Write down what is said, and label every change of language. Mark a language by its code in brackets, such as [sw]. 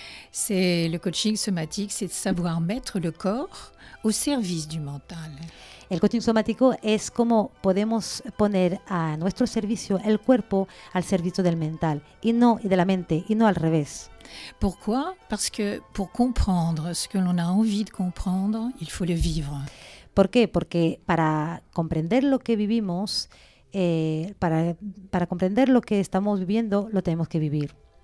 [fr] C'est le coaching somatique, c'est savoir mettre le corps au service du mental. [es] El coaching somático es cómo podemos poner a nuestro servicio el cuerpo al servicio del mental y no y de la mente y no al revés. [fr] Pourquoi? Parce que pour comprendre ce que l'on a envie de comprendre, il faut le vivre. [es] ¿Por qué? Porque para comprender lo que vivimos, para comprender lo que estamos viviendo, lo tenemos que vivir.